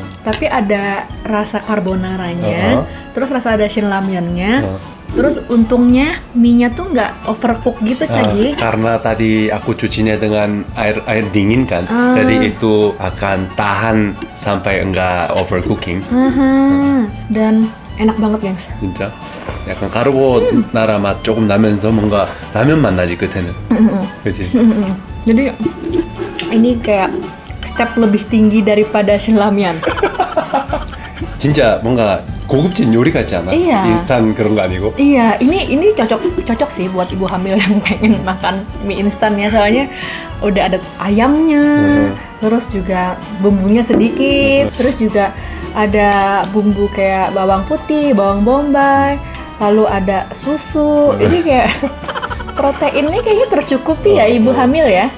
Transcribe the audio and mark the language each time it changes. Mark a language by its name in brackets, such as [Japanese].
[Indonesian] Tapi ada rasa carbonaranya. Terus rasa ada Shin Ramyeon-nya. Terus untungnya mie-nya tuh enggak overcook gitu, Cagi. Karena tadi aku cucinya dengan air dingin kan. Jadi itu akan tahan sampai enggak overcooking. Dan enak banget, gengs. [Korean] 진짜? 약간 카르보나라 맛 조금 나면서 뭔가 라면 맛 나지, 끝에는. 그치? [Indonesian] �adi ini kayak step lebih tinggi daripada Shin Ramyeon. [Korean] 진짜 뭔가 고급진 요리 같지 않아? 인스턴 그런 거 아니고? [Indonesian] 이야, 이니 cocok sih buat ibu hamil yang pengen makan mie instannya, soalnya udah ada ayamnya, terus juga bumbunya sedikit, terus juga ada bumbu kayak bawang putih, bawang bombay, lalu ada susu, ini kayak proteinnya kayaknya tercukupi ya ibu hamil ya?